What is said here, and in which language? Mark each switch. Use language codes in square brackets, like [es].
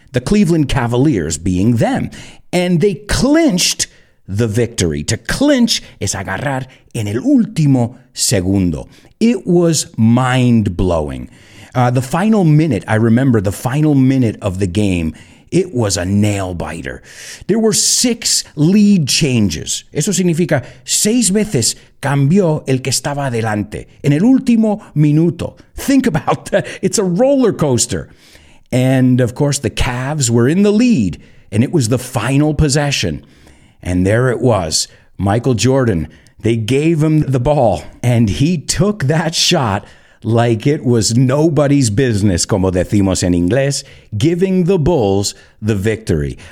[en] The Cleveland Cavaliers being them. And they clinched the victory. To clinch is [es] agarrar en el último segundo. [en] It was mind-blowing. The final minute, I remember the final minute of the game, it was a nail-biter. There were six lead changes. [es] Eso significa seis veces cambió el que estaba adelante en el último minuto. [en] Think about that. It's a roller coaster. And, of course, the Cavs were in the lead, and it was the final possession. And there it was, Michael Jordan. They gave him the ball, and he took that shot like it was nobody's business, [es] como decimos en inglés, [en] giving the Bulls the victory.